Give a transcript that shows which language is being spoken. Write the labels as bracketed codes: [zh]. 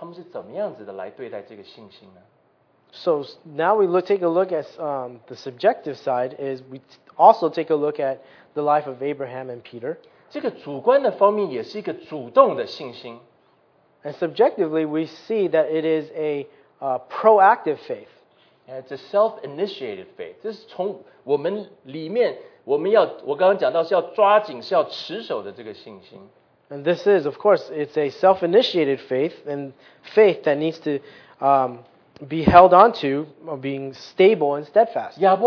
[zh] 那从主观的方面来讲，我们也就很快的用亚伯拉罕和彼得这个例子来说，他们从主观的方面，他们是怎么样子的来对待这个信心呢？ [en] So now we look, take a look at the subjective side is we also take a look at the life of Abraham and Peter. [zh] 这个主观的方面也是一个主动的信心。 [en] And subjectively we see that it is a proactive faith. And it's a self-initiated faith. [zh] 这是从我们里面，我刚刚讲到是要抓紧，是要持守的这个信心。 [en] And this is, of course, it's a self-initiated faith and faith that needs to be held on to being stable and steadfast.